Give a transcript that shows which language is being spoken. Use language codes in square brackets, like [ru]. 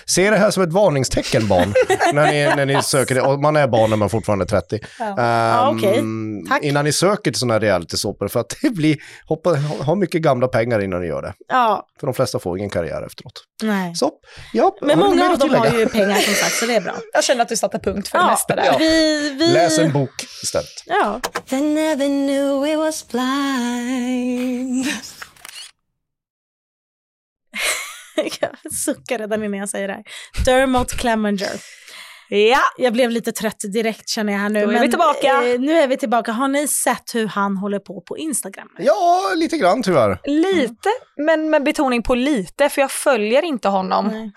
[sv] Se det här som ett varningstecken, barn, när ni söker det. Och man är barn när man fortfarande är 30. Okay. Innan ni söker till sådana här reality-såper, för att ha mycket gamla pengar innan ni gör det. Ja. För de flesta får ingen karriär efteråt. Nej. Så, ja, men många av dem har ju pengar som sagt, så det är bra. Jag känner att du satte punkt för det mesta där. Vi... Läs en bok istället. Ja. [en] They never knew it was blind. [sv] Jag suckar redan innan jag säger det här. Dermot Clemenger. Ja, jag blev lite trött direkt känner jag här nu. Då är vi tillbaka. Nu är vi tillbaka. Har ni sett hur han håller på Instagram? Ja, lite grann tyvärr. Lite, men med betoning på lite, för jag följer inte honom. Nej.